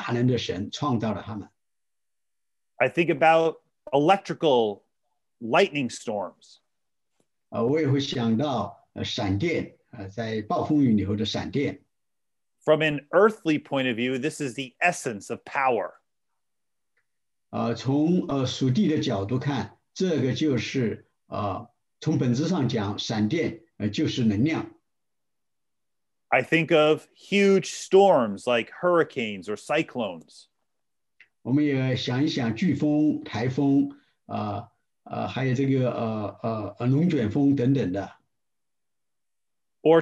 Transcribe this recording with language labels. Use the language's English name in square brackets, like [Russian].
[Chinese] 瀑布有这么大的能量，是因为有一位有能的神、大能的神创造了他们。 [English] I think about electrical lightning storms. [Chinese] 我也会想到闪电，在暴风雨里头的闪电。 [English] From an earthly point of view, this is the essence of power. [Chinese] 从属地的角度看，这个就是从本质上讲，闪电就是能量。 [English] I think of huge storms like hurricanes or cyclones. [Chinese] 我们也想一想飓风、台风，还有这个龙卷风等等的。 [English] Or